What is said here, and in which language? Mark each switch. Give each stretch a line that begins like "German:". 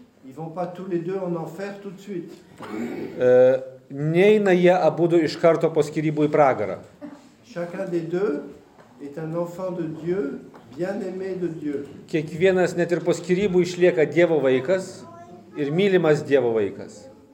French: ils vont pas tous les deux en enfer tout de suite.
Lithuanian: Neina jie abudu iš karto po skirybų į pragarą.
French: Chacun des deux est un enfant de Dieu, bien-aimé de Dieu.
Lithuanian: Kiekvienas net ir po skirybų išlieka Dievo vaikas ir mylimas Dievo vaikas.